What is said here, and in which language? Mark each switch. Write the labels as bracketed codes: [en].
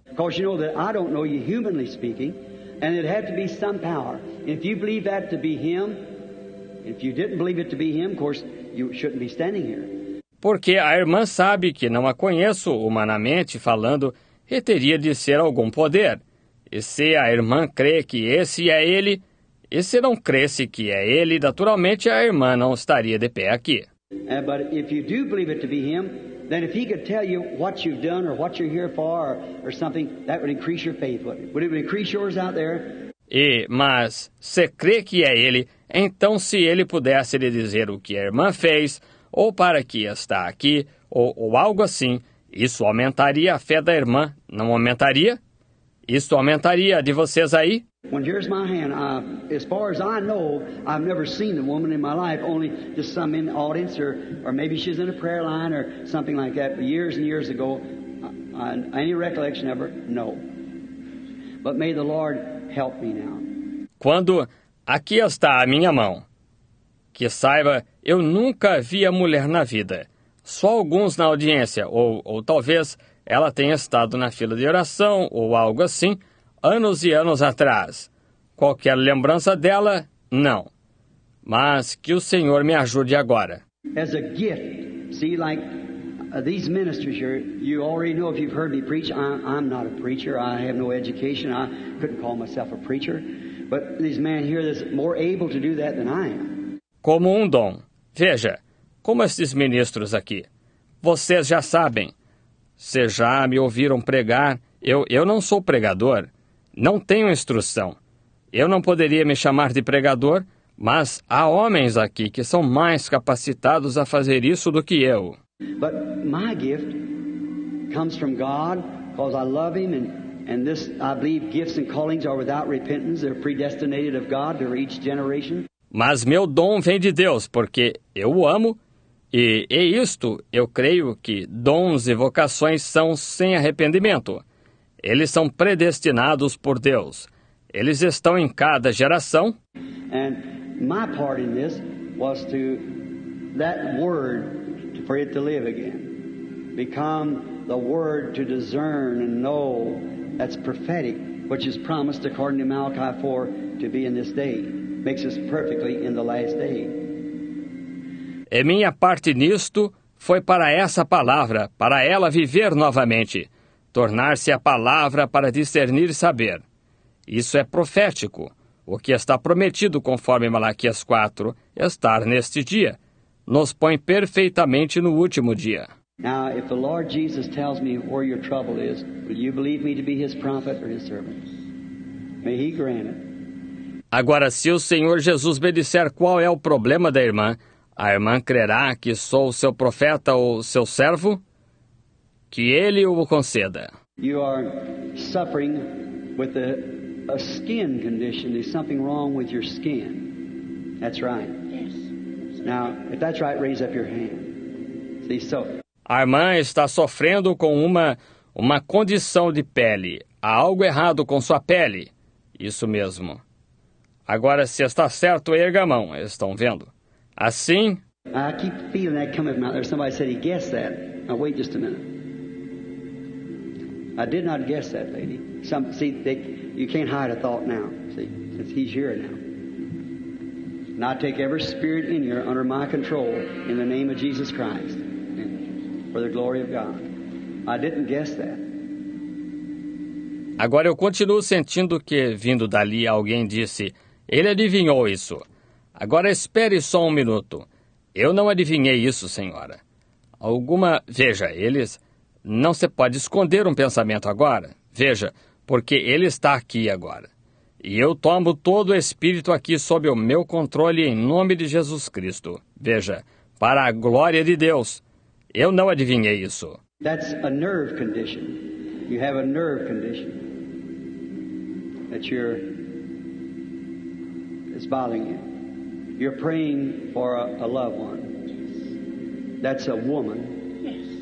[en] Because you know that I don't know you humanly speaking, and it had to be some power. If you believe that to be him, if you didn't believe it to be him, of course, you shouldn't be standing here. [pt] Porque a irmã sabe que não a conheço humanamente falando, e teria de ser algum poder. E se a irmã crê que esse é ele, e se não cresse que é ele, naturalmente a irmã não estaria de pé aqui. [en] But if you do believe it to be him, then if he could tell you what you've done or what you're here for or something, that would increase your faith. Would it increase yours out there? [pt] E, mas, se crê que é ele, então se ele pudesse lhe dizer o que a irmã fez, ou para que está aqui, ou algo assim, isso aumentaria a fé da irmã, não aumentaria? Isso aumentaria a de vocês aí? [en] Well, here's my hand. As far as I know, I've never seen the woman in my life, only just some in the audience, or maybe she's in a prayer line, or something like that, but years and years ago, any recollection ever, no. But may the Lord help me now. [pt] Quando, aqui está a minha mão. Que saiba, eu nunca vi a mulher na vida. Só alguns na audiência, ou talvez ela tenha estado na fila de oração, ou algo assim, anos e anos atrás. Qualquer lembrança dela, não. Mas que o Senhor me ajude agora. [en] As a gift, see, like these ministers here, you already know if you've heard me preach, I'm not a preacher, I have no education, I couldn't call myself a preacher. But these men here that's more able to do that than I am. [pt] Como um dom. Veja, como esses ministros aqui. Vocês já sabem. Se já me ouviram pregar, eu não sou pregador. Não tenho instrução. Eu não poderia me chamar de pregador, mas há homens aqui que são mais capacitados a fazer isso do que eu. Mas meu [en] gift comes from God, because I love him, and this I believe gifts and callings are without repentance. They're predestinated of God to each generation. [pt] Mas meu dom vem de Deus, porque eu o amo, e isto eu creio que dons e vocações são sem arrependimento. Eles são predestinados por Deus. Eles estão em cada geração. E minha parte nisso [en] was to that word for it to live again. Become the word to discern and know that's prophetic, which is promised according to Malachi 4 to be in this day. Makes us perfectly in the last day. [pt] E minha parte nisto foi para essa palavra, para ela viver novamente, tornar-se a palavra para discernir e saber. Isso é profético, o que está prometido conforme Malaquias 4, estar neste dia, nos põe perfeitamente no último dia. [en] Now, if the Lord Jesus tells me where your trouble is, will you believe me to be his prophet or his servant? May he grant it. [pt] Agora, se o Senhor Jesus me disser qual é o problema da irmã, a irmã crerá que sou o seu profeta ou seu servo? Que ele o conceda. [en] You are suffering with a skin condition. There's something wrong with your skin. That's right. Yes. Now, if that's right, raise up your hand. See, so. [pt] A irmã está sofrendo com uma condição de pele. Há algo errado com sua pele. Isso mesmo. Agora, se está certo, erga a mão. Estão vendo? Assim... [en] I keep feeling that coming from out there. Somebody said he guessed that. Now, wait just a minute. I did not guess that, lady. You can't hide a thought now, see, since he's here now. And I take every spirit in here under my control in the name of Jesus Christ for the glory of God. I didn't guess that. [pt] Agora eu continuo sentindo que, vindo dali, alguém disse: ele adivinhou isso. Agora espere só um minuto. Eu não adivinhei isso, senhora. Alguma... Veja, eles... Não se pode esconder um pensamento agora. Veja, porque ele está aqui agora. E eu tomo todo o espírito aqui sob o meu controle em nome de Jesus Cristo. Veja, para a glória de Deus. Eu não adivinhei isso. [en] That's a nerve condition. You have a nerve condition. That it's bothering you. You're praying for a loved one. That's a woman. Yes.